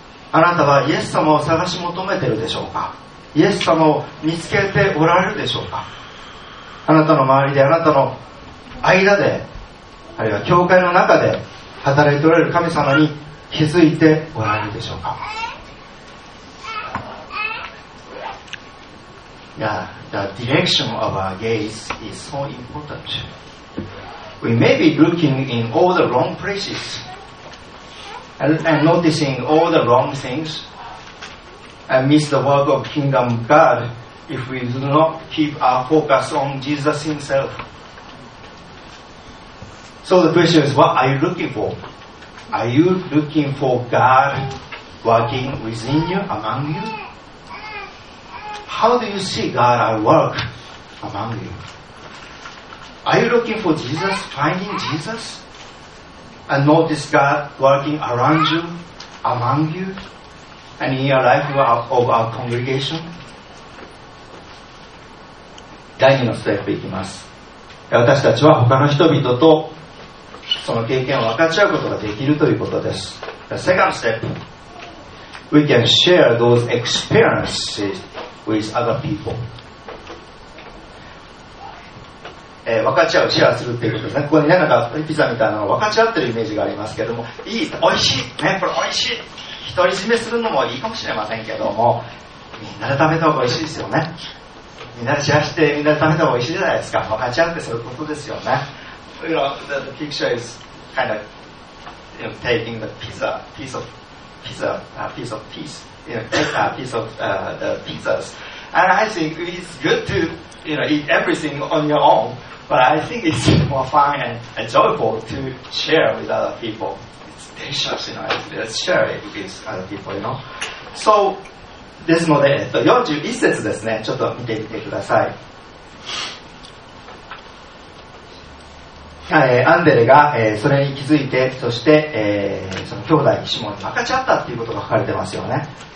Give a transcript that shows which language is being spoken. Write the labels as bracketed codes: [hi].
[ja] あなたはイエス様を探し求めているでしょうか。イエス様を見つけておられるでしょうか。あなたの周りで、あなたの間で、あるいは教会の中で働いておられる神様に気づいておられるでしょうか。 [en] The direction of our gaze is so important. We may be looking in all the wrong places and noticing all the wrong things and miss the work of kingdom of God if we do not keep our focus on Jesus himself. So the question is, what are you looking for? Are you looking for God working within you, among you? How do you see God at work among you? Are you looking for Jesus, finding Jesus? And notice God working around you, among you, and in your life of our congregation? [ja] 第2のステップいきます。私たちは他の人々とその経験を分かち合うことができるということです。 [en] The second step. We can share those experiences with other people. [ja] 分かち合う、シェアするということですね。ここにね、なんかピザみたいなの分かち合ってるイメージがありますけども、いい、おいしい、ね、これおいしい、独り占めするのもいいかもしれませんけども、みんなで食べた方がおいしいですよね。みんなでシェアして、みんなで食べた方がおいしいじゃないですか。分かち合ってそういうことですよね。 [en] You know, the picture is kind of, you know, taking the pizza, piece of pizza, a piece of piece, you know, a piece of the pizzas. And I think it's good toYou know, eat everything on your own, but I think it's more fun and enjoyable to share with other people. It's delicious, you know. Let's share it with other people, you know. [ja] So, ですので、41節ですね。ちょっと見てみてください。アンデレが、それに気づいて、そして、その兄弟シモンに分かち合ったっていうことが書かれてますよね。